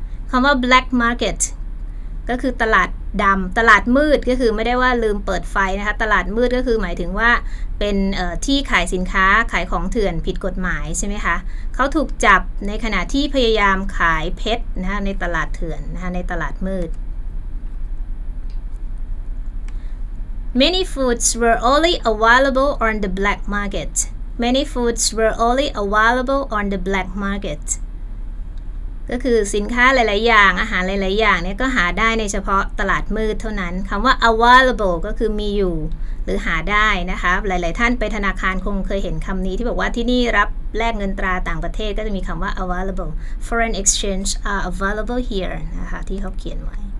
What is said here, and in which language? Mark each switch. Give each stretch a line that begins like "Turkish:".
Thai: คำว่า black market ก็คือตลาดดำตลาดมืดก็คือไม่ได้ว่าลืมเปิดไฟนะคะตลาดมืดก็คือหมายถึงว่าเป็นที่ขายสินค้าขายของเถื่อนผิดกฎหมายใช่ไหมคะเขาถูกจับในขณะที่พยายามขายเพชรนะคะในตลาดเถื่อนนะคะในตลาดมืด
English: Many foods were only available on the black market. Many foods were only available on the black market.
Thai: ก็คือสินค้าหลายๆอย่างอาหารหลายๆอย่างเนี่ยก็หาได้ในเฉพาะตลาดมืดเท่านั้นคำว่า available ก็คือมีอยู่หรือหาได้นะคะหลายๆท่านไปธนาคารคงเคยเห็นคำนี้ที่บอกว่าที่นี่รับแลกเงินตราต่างประเทศก็จะมีคำว่า available
English: foreign exchange are available here
Thai: นะคะที่เขาเขียนไว้